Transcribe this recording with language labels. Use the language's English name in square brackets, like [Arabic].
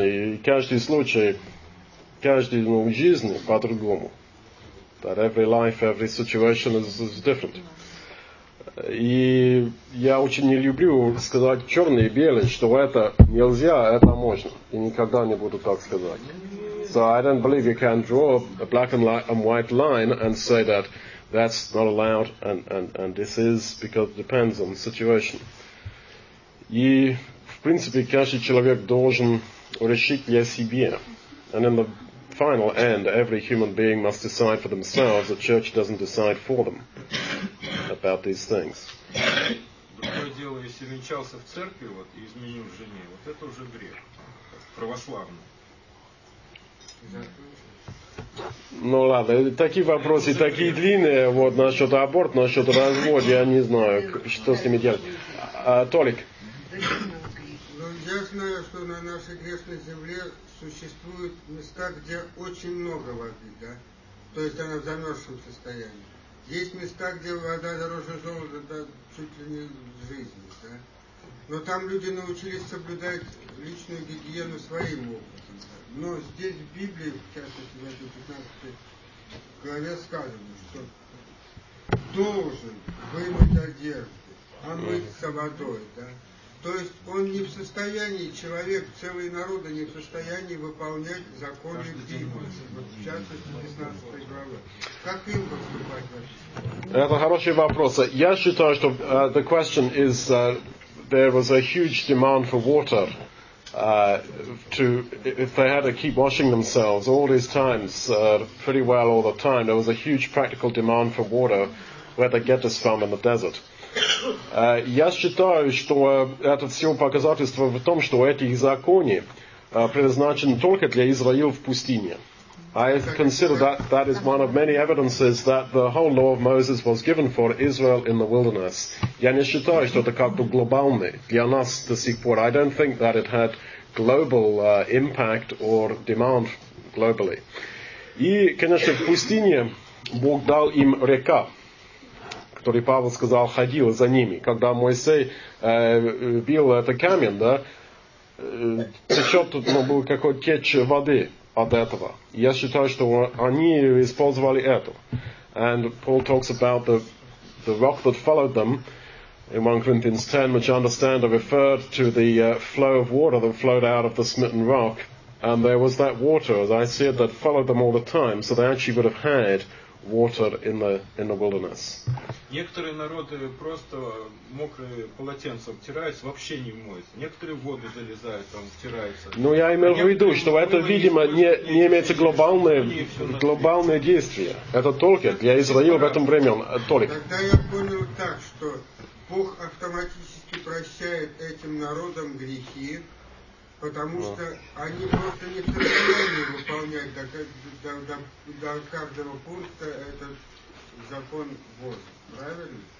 [Russian] И каждый случай, каждый ну, жизнь по-другому. [English] That every life, every situation is different. [Russian] И я очень не люблю сказать черный и белый, что это нельзя, это можно. И никогда не буду так сказать. [English] So I don't believe you can draw a black and white line and say that that's not allowed and this is because it depends on the situation. [Russian] И в принципе каждый человек должен решить для себя. [English] And in the final end, every human being must decide for themselves. The church doesn't decide for them about these things. [Russian] Другое дело, если венчался в церкви вот и изменил жене, вот это уже грех православный. Ну ладно, такие вопросы, такие длинные, вот насчет аборта, насчет развода, я не знаю, что с ними делать. Толик. Ну я знаю, что на нашей грешной земле существуют места, где очень много воды, да? То есть она в замерзшем состоянии. Есть места, где вода дороже золота, да, чуть ли не жизни, да? Но там люди научились соблюдать личную гигиену своим опытом. Да? Но здесь в Библии, в частности, в этой 15 главе сказано, что должен вымыть одежду, омыться водой, да? То есть он не в состоянии, человек, целые народы не в состоянии выполнять законы Библии, в частности 15 главы. Как им поступать? Это хороший вопрос. Я считаю, что [English] the question is there was a huge demand for water to if they had to keep washing themselves all these times, pretty well all the time, there was a huge practical demand for water. Where they get this from in the desert. [Russian] Я считаю, что это всего показательство в том, что эти законы предназначены только для Израиля в пустыне. [English] I consider that is one of many evidences that the whole law of Moses was given for Israel in the wilderness. [Russian] Я не считаю, что это как-то глобально для нас до сих пор. [English] I don't think that it had global impact or demand globally. [Russian] И, конечно, в пустыне Бог дал им река, который Павел сказал, ходил за ними. Когда Моисей бил этот камень, да, течет, ну, был какой-то течь воды от этого. Я считаю, что они использовали это. [English] And Paul talks about the rock that followed them in 1 Corinthians 10, which I understand are referred to the flow of water that flowed out of the smitten rock. And there was that water, as I said, that followed them all the time. So they actually would have had water in the wilderness. [Russian] Некоторые народы просто мокрые полотенца обтираются, вообще не моются. Некоторые в воду залезают, там втираются. Ну, я имел в виду, что это, видимо, не имеется глобальные действия. Это только для Израиля в этом времени. Только. Тогда я понял так, что Бог автоматически прощает этим народам грехи, потому что они просто не в состоянии выполнять до каждого пункта этот закон Божий. Правильно?